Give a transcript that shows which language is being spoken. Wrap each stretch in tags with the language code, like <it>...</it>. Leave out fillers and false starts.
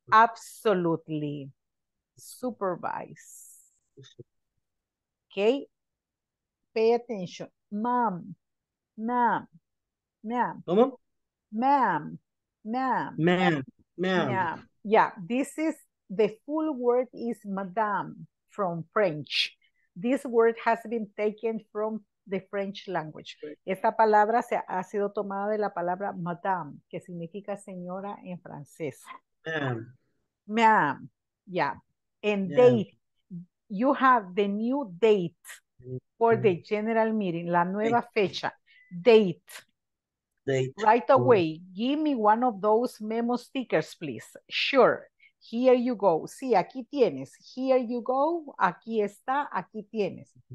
<en>Absolutely. Supervise. Okay. Pay attention. Mom. Ma'am. Ma'am. Ma'am. Ma'am. Ma'am. Ma'am. Ma'am. Yeah. This is the full word is madame from French. This word has been taken from the French language.</en> <es>Esta palabra se ha sido tomada de la palabra madame, que significa señora en francés.</es> <en>Ma'am. Ma'am. Yeah. And yeah. Date. You have the new date for the general meeting.</en> <es>La nueva date. Fecha. Date.</es> <en>Date. Right away. Oh. Give me one of those memo stickers, please. Sure. Here you go.</en> <es>Sí, aquí tienes.</es> <en>Here you go.</en> <es>Aquí está. Aquí tienes.</es>